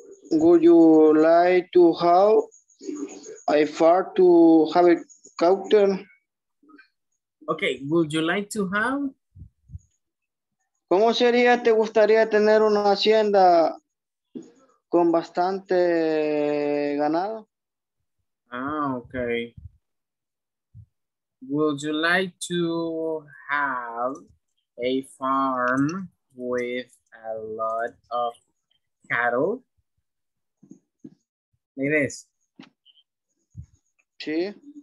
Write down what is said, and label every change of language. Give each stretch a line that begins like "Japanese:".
English: Would you like to have, I far to have a cocktail? Okay, would you like to have?
Spanish: ¿Cómo sería, te gustaría tener una hacienda con bastante ganado?
English: Ah, okay. Would you like to have a farm with a lot of cattle? Like this.
Spanish: Sí.